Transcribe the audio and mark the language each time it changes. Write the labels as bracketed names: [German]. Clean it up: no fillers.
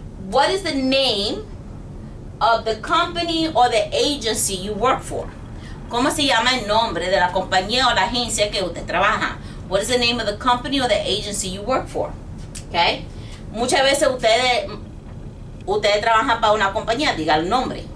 [English] What is the name of the company or the agency you work for? [Spanish] ¿Cómo se llama el nombre de la compañía o la agencia que usted trabaja? [English] What is the name of the company or the agency you work for? Okay. [Spanish] Muchas veces ustedes trabajan para una compañía, diga el nombre.